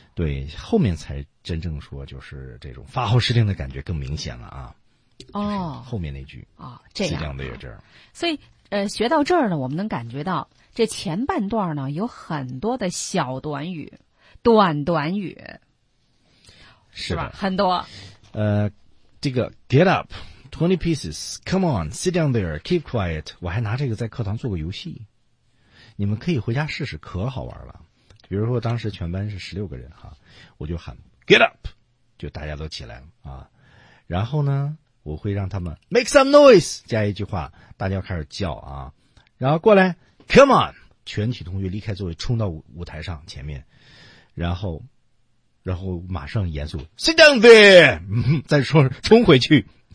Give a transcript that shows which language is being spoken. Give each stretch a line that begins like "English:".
Chinese: 对，后面才真正说，就是这种发号施令的感觉更明显了啊。哦，后面那句啊，这样的有这儿。所以学到这儿呢，我们能感觉到这前半段呢有很多的小短语，短短语。是吧，很多。这个
English: get up。 20 pieces, come on, sit down there, keep quiet.
Chinese: 我还拿这个在课堂做个游戏，你们可以回家试试，可好玩了。比如说当时全班是16个人哈，我就喊
English: get up，
Chinese: 就大家都起来了啊。然后呢，我会让他们
English: make some noise，
Chinese: 加一句话，大家开始叫啊，然后过来
English: come on，
Chinese: 全体同学离开座位冲到舞台上前面，然后马上严肃
English: sit down there，
Chinese: 再说冲回去。